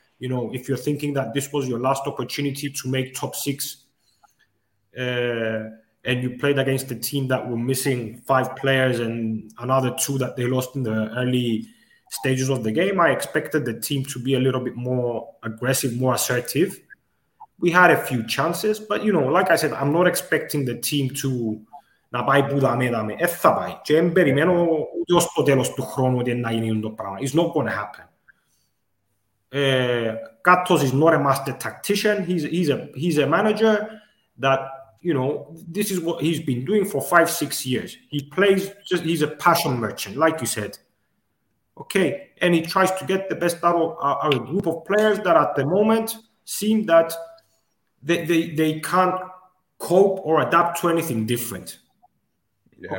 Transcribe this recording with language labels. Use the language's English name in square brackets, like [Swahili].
[English] You know, if you're thinking that this was your last opportunity to make top six, and you played against a team that were missing 5 players and another 2 that they lost in the early stages of the game, I expected the team to be a little bit more aggressive, more assertive. We had a few chances, but, you know, like I said, I'm not expecting the team to... [Greek] να πάει που δάμε. Θα πάει. Και δεν περιμένω ως το τέλος του χρόνου ότι να γίνει το πράγμα. [English] It's not going to happen. Katos is not a master tactician. He's a manager that, you know, this is what he's been doing for 5-6 years. He plays just, he's a passion merchant, like you said. Okay, and he tries to get the best out of a group of players that at the moment seem that they can't cope or adapt to anything different. Yeah.